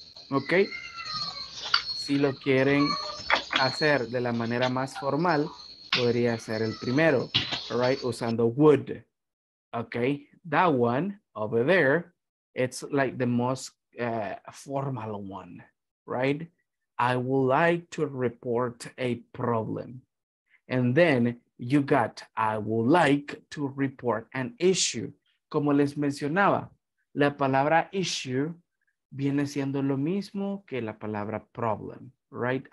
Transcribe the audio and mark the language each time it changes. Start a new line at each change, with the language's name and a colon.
Spanish: Ok, si lo quieren hacer de la manera más formal, podría ser el primero, right? Usando would.
English: Ok, that one over there, it's like the most formal one, right? I would like to report a problem. And then you got, I would like to report an issue.
Spanish: Como les mencionaba, la palabra issue viene siendo lo mismo que la palabra problem, right?